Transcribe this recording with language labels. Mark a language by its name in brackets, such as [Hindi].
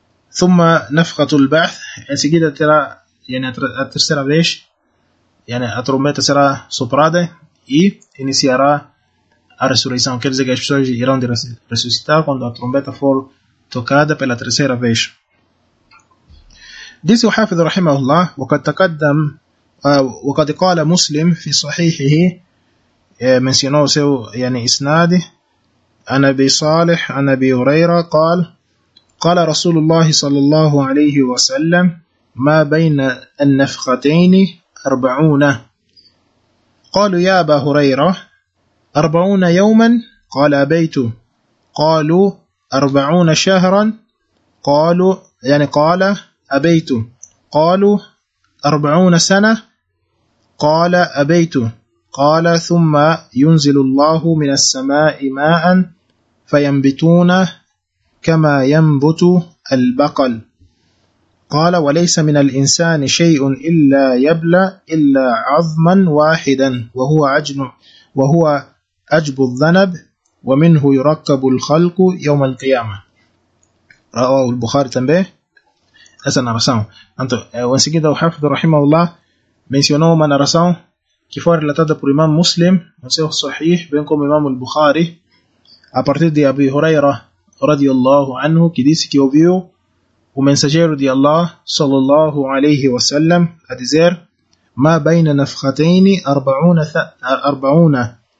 [Arabic] ثم نفخة البعث, [Portuguese] em seguida terá a terceira vez a trombeta será soprada e iniciará a ressurreição, quer dizer que as pessoas irão de ressuscitar quando a trombeta for tocada pela terceira vez. Disse o Hafiz [Arabic] rahimahullah: وقد تقدم وقد قال مسلم في صحيحه, [Portuguese] mencionou seu [Arabic] اسناد, عن ابي صالح عن ابي هريره قال: قال رسول الله صلى الله عليه وسلم: ما بين النفختين 40. قالوا: يا أبا هريرة, 40 يوما؟ قال: أبيت. قالوا: 40 شهرا؟ قالوا قال: أبيت. قالوا: 40 سنة؟ قال: أبيت. قال ثم ينزل الله من السماء ماء فينبتون كما ينبت البقل. قال وليس من الإنسان شيء إلا يبلى إلا عظما واحدا وهو عجن وهو أجب الذنب ومنه يركب الخلق يوم القيامة. رواه البخاري تنبيه. [Portuguese] Essa narração. Então, em seguida, o Hafiz Rahimahullah mencionou uma narração que foi relatada por Imam Muslim, no seu Sahih, bem como Imam al-Bukhari, a partir de Abi Huraira, radiyallahu anhu, que disse que ouviu o mensageiro de Allah, sallallahu alayhi wa sallam, a dizer: [Arabic] Ma bayna nafkhatayni arba'una.